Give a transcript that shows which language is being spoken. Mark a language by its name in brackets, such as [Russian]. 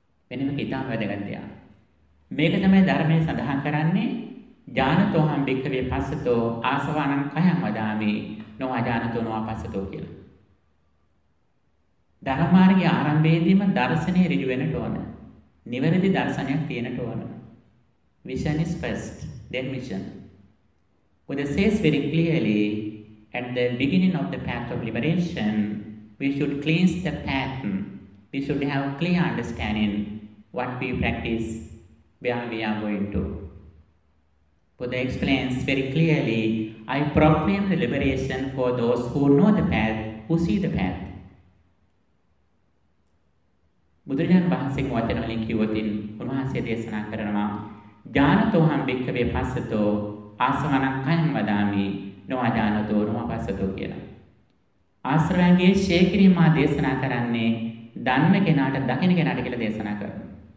[Sinhala] වෙනම කිතාම වැදගත් දෙයක්. මේක තමයි ධර්මයේ සඳහන් කරන්නේ [Pali] ජානතෝහං භික්ඛවේ පස්සතෝ ආසවානං කයං වදාමි නොඅජානතෝ නොඅපස්සතෝ [Sinhala] කියලා. ධර්මමාර්ගයේ ආරම්භයේදීම දර්ශනේ ඍජු වෙනට ඕන. නිවැරදි දර්ශනයක් තියෙනට ඕන. [English] Vision is first, then mission. Buddha says very clearly, at the beginning of the path of liberation, we should cleanse the path we should have clear understanding what we practice, where we are going to. Buddha explains very clearly, I proclaim the liberation for those who know the path, who see the path. [Sinhala] බුදුරජාණන් වහන්සේ වචන වලින් කියවෙතින් උන්වහන්සේ දේශනා කරනවා [Pali] ඥානතෝහං භික්ඛවේ පස්සතෝ ආසවණං කයං වදාමි නොඥානතෝ නොපස්සතෝ [Sinhala] කියලා. ආශ්‍රවයන්ගේ ශේඛරී මා දේශනා කරන්නේ ධම්ම කෙනාට දකින කෙනාට කියලා දේශනා කරනවා.